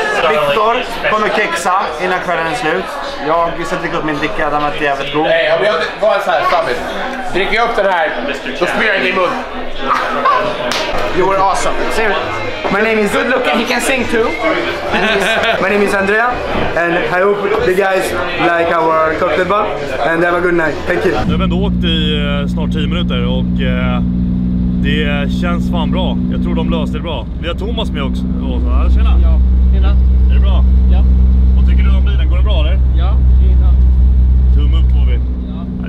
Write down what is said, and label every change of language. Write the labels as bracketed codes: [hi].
[sv] Victor kommer kexa innan kvällen är slut. Jag sätter dricka upp min dricka, den var jävligt god. Nej, om jag går en sån här, stammigt. Dricker jag upp den här, då spyr jag in i mun. [en] You were awesome. [sv] Ser du? [en] My name is... Good looking, he can sing too. My name is Andrea. And I hope the guys like our cocktail bar. And have a good night. Thank you. [sv] Nu har vi ändå åkt i snart 10 minuter och... Det känns fan bra. Jag tror de löste det bra. Vi har Thomas med också. Och så här, tjena. Ja, tjena. Är det bra? Ja. Vad tycker du om bilen? Går det bra eller? Ja, tjena. Tum upp får vi. Ja.